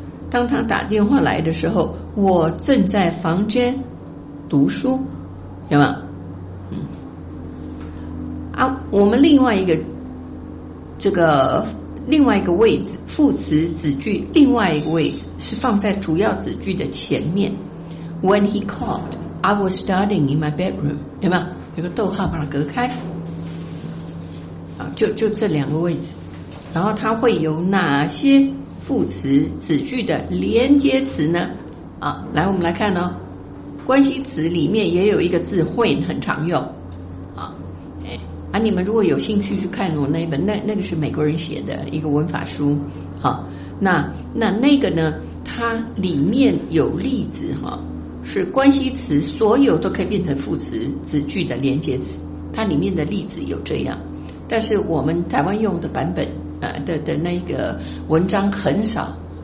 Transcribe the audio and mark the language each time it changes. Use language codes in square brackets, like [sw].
[zh] 当他打电话来的时候，我正在房间读书，有没有？啊，我们另外一个这个另外一个位置，副词子句另外一个位置是放在主要子句的前面。 [en] When he called, I was studying in my bedroom， [zh] 有没有？有个逗号把它隔开。啊，就这两个位置，然后它会有哪些副词子句的连接词呢？啊，来，我们来看哦，关系词里面也有一个字 when 很常用。啊，你们如果有兴趣去看我那一本，那个是美国人写的一个文法书，好，那个呢，它里面有例子哈，是关系词所有都可以变成副词子句的连接词，它里面的例子有这样，但是我们台湾用的版本的那个文章很少